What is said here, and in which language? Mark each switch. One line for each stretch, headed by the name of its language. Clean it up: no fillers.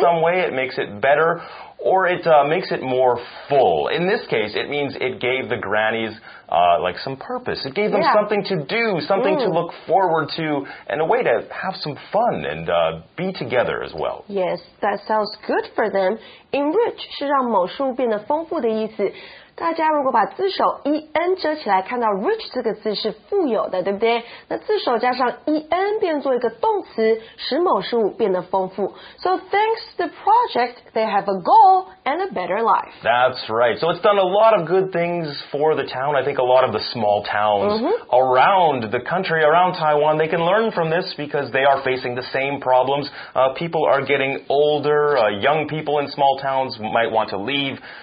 English: some way, it makes it better, or it makes it more full. In this case, it means it gave the grannies like some purpose. It gave them yeah. something to do, something mm. to look forward to, and a way to have some fun and be together as well. Yes, that sounds good for them.
Chinese: Enrich 是让某事物变得丰富的意思。大家如果把字首 en 遮起来，看到 rich 这个字是富有的，对不对？那字首加上 en 变作一个动词，使某事物变得丰富。
English: So thanks to the project, they have a goal and a better life. That's right. So it's done a lot of good things for the town. I think a lot of the small towns mm-hmm. around the country, around Taiwan, they can learn from this because they are facing the same problems. People are getting older. Young people in small towns might want to leave.